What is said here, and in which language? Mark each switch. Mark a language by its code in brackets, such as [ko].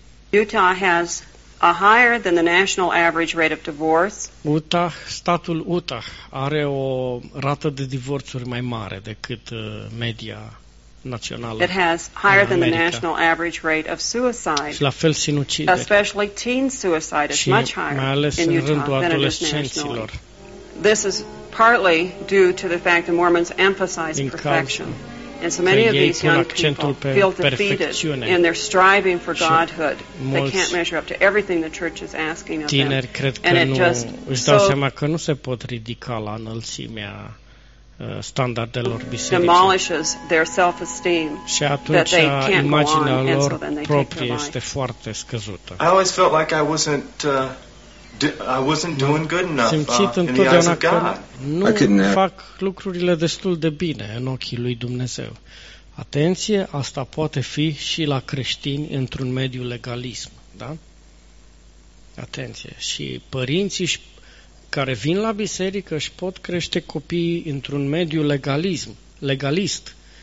[en] Utah has a higher than the national average rate of divorce. [ro] Utah, statul Utah are o rată de divorțuri mai mare decât media. [en] It has higher than the national average rate of suicide. [ro] La fel sinucide. [en] Especially teen suicide is much higher in Utah than it is nationally. This is partly due to the fact that Mormons emphasize perfection. And so many of these young people feel defeated in their striving for godhood. They can't measure up to everything the church is asking of them. [ro] Tineri cred că nu își dau seama că nu se pot ridica la înălțimea standardelor bisericii. Și atunci imaginea lor proprie este foarte scăzută. [en] I always felt like I wasn't doing good enough. [ro] Simțit întotdeauna că nu fac lucrurile destul de bine în ochii lui Dumnezeu. Atenție, asta poate fi și la creștini într-un mediu legalism, da? Atenție, și părinții și care vin la biserică și pot crește copiii într-un mediu legalist.